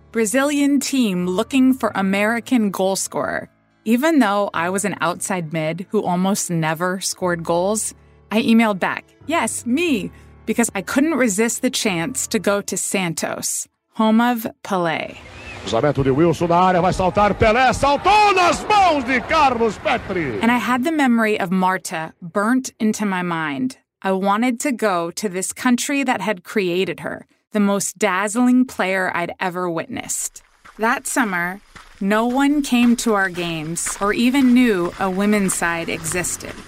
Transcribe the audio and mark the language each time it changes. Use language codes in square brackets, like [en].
[en] Brazilian team looking for American goal scorer. Even though I was an outside mid who almost never scored goals, I emailed back, yes, me, because I couldn't resist the chance to go to Santos, home of Pelé. [pt] Cruzamento de Wilson na área, vai saltar Pelé, saltou nas mãos de Carlos Petri. [en] And I had the memory of Marta burnt into my mind. I wanted to go to this country that had created her, the most dazzling player I'd ever witnessed. That summer, no one came to our games or even knew a women's side existed.